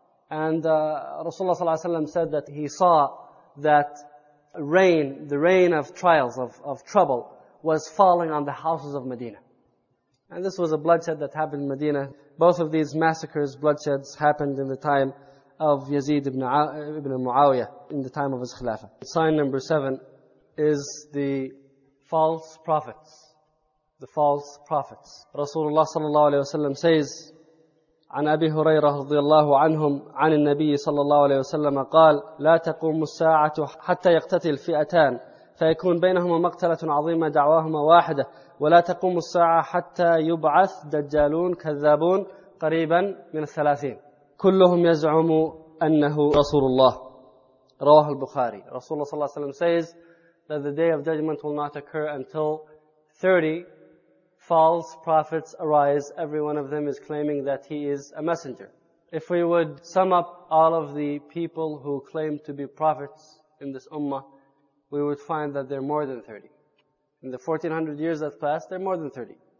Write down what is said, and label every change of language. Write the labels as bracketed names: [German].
[English] And Rasulullah sallallahu alayhi wa sallam said that he saw that rain, the rain of trials, of trouble, was falling on the houses of Medina. And this was a bloodshed that happened in Medina. Both of these massacres, bloodsheds, happened in the time of Yazid ibn Muawiyah, in the time of his khilafah. Sign number 7 is the false prophets. The false prophets. [Arabic] Rasulullah sallallahu alayhi wa sallam says, عن أبي هريرة رضي الله عنهم عن النبي صلى الله عليه وسلم قال لا تقوم الساعة حتى يقتتل فئتان فيكون بينهما مقتلة عظيمة دعواهما واحدة ولا تقوم الساعة حتى يبعث دجالون كذابون قريبا من 30 كلهم يزعم أنه رسول الله. رواه البخاري. رسول الله صلى الله عليه وسلم [English] says that the day of judgment will not occur until 30 false prophets arise. Every one of them is claiming that he is a messenger. If we would sum up all of the people who claim to be prophets in this ummah, we would find that they're more than 30. In the 1400 years that passed, they're more than 30.